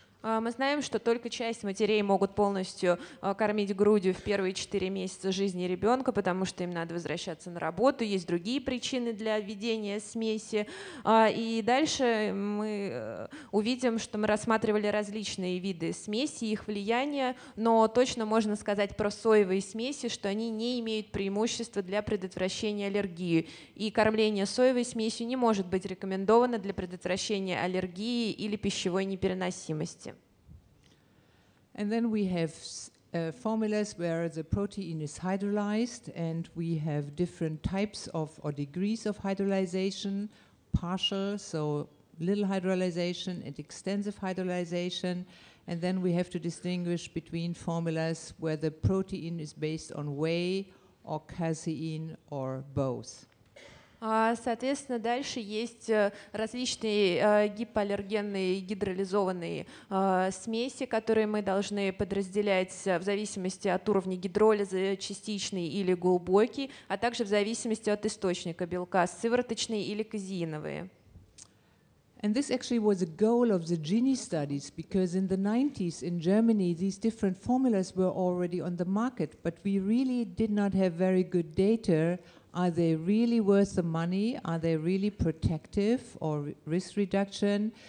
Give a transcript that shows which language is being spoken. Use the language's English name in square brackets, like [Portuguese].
[Russian] Мы знаем, что только часть матерей могут полностью кормить грудью в первые 4 месяца жизни ребенка, потому что им надо возвращаться на работу, есть другие причины для введения смеси. И дальше мы увидим, что мы рассматривали различные виды смеси, их влияние, но точно можно сказать про соевые смеси, что они не имеют преимущества для предотвращения аллергии. И кормление соевой смесью не может быть рекомендовано для предотвращения аллергии или пищевой непереносимости. [English] And then we have formulas where the protein is hydrolyzed, and we have different types of or degrees of hydrolyzation, partial, so little hydrolyzation, and extensive hydrolyzation. And then we have to distinguish between formulas where the protein is based on whey or casein or both. [Russian] Соответственно, дальше есть различные гипоаллергенные гидролизованные смеси, которые мы должны подразделять в зависимости от уровня гидролиза, частичный или глубокий, а также в зависимости от источника белка, сывороточные или казеиновые. [English] And this actually was a goal of the Gini studies, because in the 90s in Germany these different formulas were already on the market, but we really did not have very good data. Are they really worth the money? Are they really protective or risk reduction?